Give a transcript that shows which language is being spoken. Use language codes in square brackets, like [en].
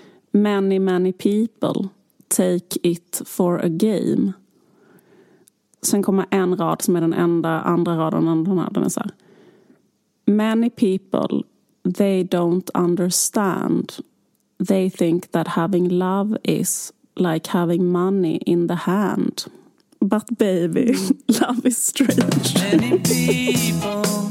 [en] Many, many people take it for a game. [sv] Sen kommer en rad som är den enda andra raden. Den är så här. [en] Many people, they don't understand. They think that having love is like having money in the hand. But baby, love is strange. Many people...